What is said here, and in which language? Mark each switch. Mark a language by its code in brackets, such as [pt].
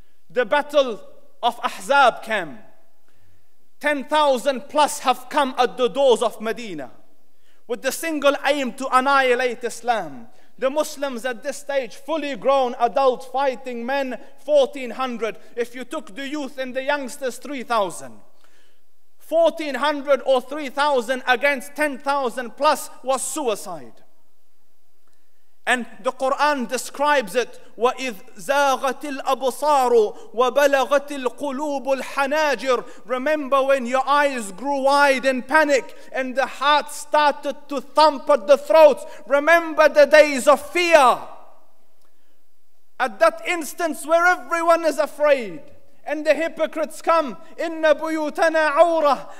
[en] The battle of Ahzab came. 10,000 plus have come at the doors of Medina with the single aim to annihilate Islam. The Muslims at this stage, fully grown adult fighting men, 1,400. If you took the youth and the youngsters, 3,000. 1,400 or 3,000 against 10,000 plus was suicide. And the Quran describes it, [ar] وَإِذْ زَاغَتِ الْأَبْصَارُ وَبَلَغَتِ الْقُلُوبُ الْحَنَاجِرُ. [en] Remember when your eyes grew wide in panic and the heart started to thump at the throats. Remember the days of fear. At that instance where everyone is afraid and the hypocrites come, [ar] إِنَّ بُيُوتَنَا عَوْرَةٌ.